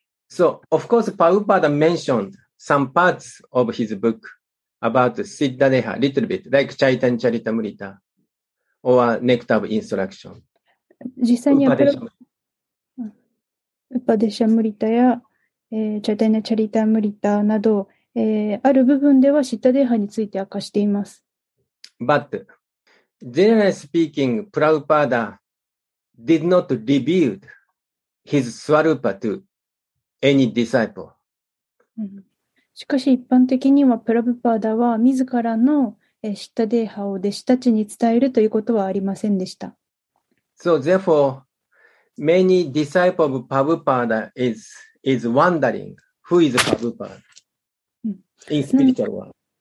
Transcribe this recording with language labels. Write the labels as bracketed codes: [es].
[en] So, of course, Prabhupada mentioned some parts of his book about Siddha Deha, little bit, like Chaitanya Charitamrita or Nectar of Instruction. [ja] 実際にはウパデシャムリタやチャタイナチャリタムリタなど、ある部分ではシッタデーハについて明かしています。 [en] But, generally speaking, Prabhupada did not reveal his Swarupa to any disciple. [ja] しかし一般的にはプラブパーダは自らのシッタデーハを弟子たちに伝えるということはありませんでした。 [en] So therefore, many disciples of Prabhupada is wondering who is Prabhupada in spiritual world.